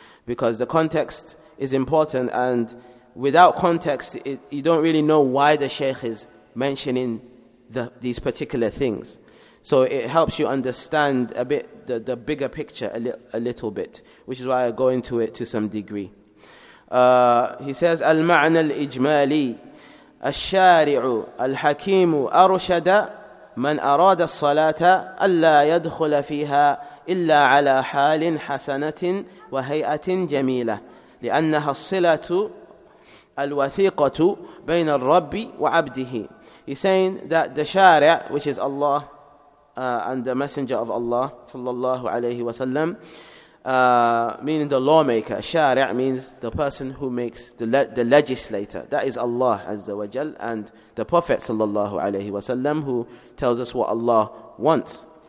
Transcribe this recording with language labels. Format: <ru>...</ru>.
<en>Because the context is important, and without context, you don't really know why the sheikh is mentioning these particular things. So it helps you understand a bit the bigger picture a little bit, which is why I go into it to some degree. He says,</en> <ar>المعنى الإجمالي الشارع الحكيم أرشد من أراد الصلاة ألا يدخل فيها إلا على حال حسنة وهيئة جميلة لأنها الصلة الوثيقة بين الرب وعبده.</ar> <en>He's saying that the شارع, which is Allah, and the Messenger of Allah sallallahu alayhi wa sallam, meaning the lawmaker. Shari' means the person who makes the legislator. That is Allah Azza wa Jal and the Prophet sallallahu alayhi wa sallam, who tells us what Allah wants.</en>